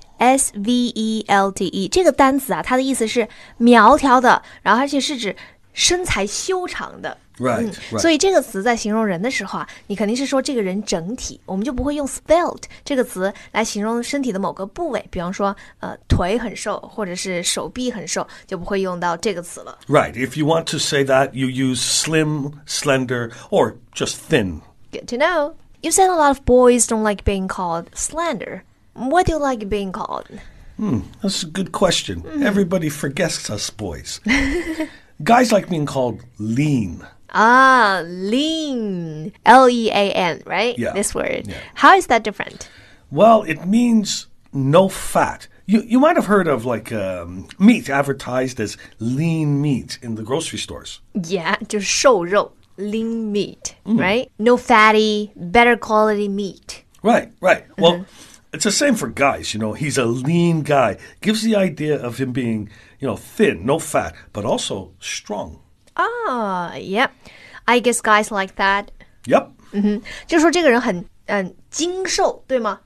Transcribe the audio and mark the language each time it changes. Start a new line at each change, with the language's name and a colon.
Chinese: S-V-E-L-T-E 这个单词啊它的意思是苗条的然后而且是指身材修长的
English: right, right.
Chinese: 所以这个词在形容人的时候啊你肯定是说这个人整体我们就不会用 svelte 这个词来形容身体的某个部位比方说腿很瘦或者是手臂很瘦就不会用到这个词了
English: Right, if you want to say that you use slim, slender or just thin Good to know You said a lot of boys don't like being called slender What do you like being called? That's a good question. Mm-hmm. Everybody forgets us boys. Guys like being called lean. Ah, lean. L-E-A-N, right? Yeah. This word. Yeah. How is that different? Well, it means no fat. You might have heard of like meat advertised as lean meat in the grocery stores. Yeah,
Chinese: 就是瘦肉,
English: lean meat, right? No fatty, better quality meat. Right, right. Well... It's the same for guys, you know, he's a lean guy. Gives the idea of him being, you know, thin, no fat, but also strong. Ah, yep. I guess guys like that. Yep. Mm-hmm.
Chinese: 就说这个人很精瘦，对吗？